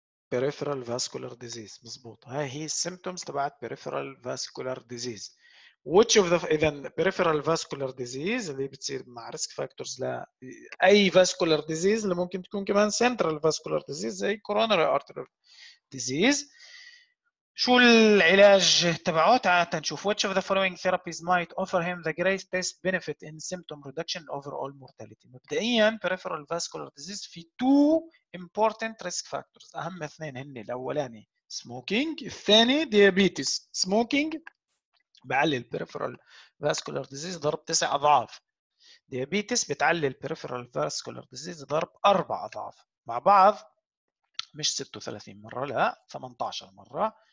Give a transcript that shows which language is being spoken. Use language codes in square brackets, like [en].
[en] peripheral vascular disease. [ar] مظبوط، هاي هي السيمبتومز تبعت [en] peripheral vascular disease. Which of the [ar] إذا [en] peripheral vascular disease [ar] اللي بتصير مع [en] risk factors [ar] لأي [en] vascular disease [ar] اللي ممكن تكون كمان [en] central vascular disease [ar] زي [en] coronary artery disease. [ar] شو العلاج تبعه؟ تعال نشوف. [en] Which of the following therapies might offer him the greatest benefit in symptom reduction and overall mortality؟ [ar] مبدئيا [en] peripheral vascular disease [ar] في [en] two important risk factors. [ar] أهم اثنين هن الأولاني smoking، الثاني diabetes. Smoking بعلي peripheral vascular disease ضرب 9 أضعاف. Diabetes بتعلي peripheral vascular disease ضرب 4 أضعاف. مع بعض مش 36 مرة، لا 18 مرة.